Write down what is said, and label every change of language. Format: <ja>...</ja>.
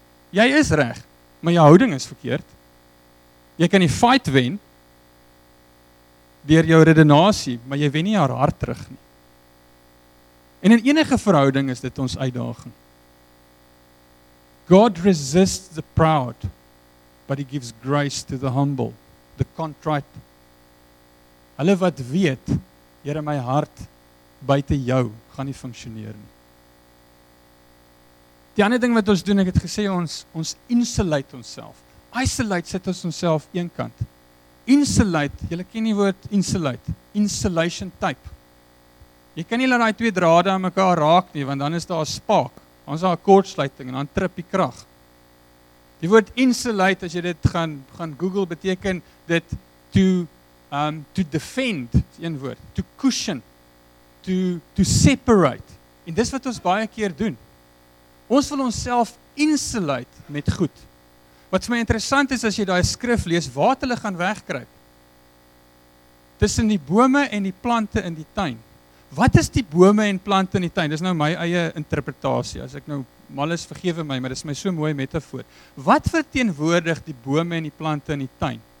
<af>Jy is reg, maar jou houding is verkeerd. Jy kan die fight wen deur jou redenasie, maar jy wen nie haar hart terug nie. En in enige verhouding is dit ons uitdaging.</af> <en>God resists the proud, but he gives grace to the humble, the contrite.</en> <af>Hulle wat weet, Here my hart buite jou gaan nie funksioneer nie. Die ander ding wat ons doen, ek het gesê ons insulate onsself. Isolate sit ons onsself een kant. Insulate, julle ken die woord insulate, insulation type. Jy kan nie laat die twee drade aan mekaar raak nie, want dan is daar 'n spaak. Ons het 'n kortsluiting en dan trip die krag. Die woord insulate, as jy dit gaan Google, beteken dit</af> <en>to defend,</en> <af>is een woord,</af> <en>to cushion, to separate.</en> <af>En dis wat ons baie keer doen. Ons wil onsself insulate met goed. Wat vir my interessant is, as jy daai skrif lees, waar hulle gaan wegkruip? Tussen die bome en die plante in die tuin. Wat is die bome en plante in die tuin? Dis nou my eie interpretasie. As ek nou mal is, vergewe my, maar dis my so mooi metafoor. Wat verteenwoordig die bome en die plante in die tuin?</af>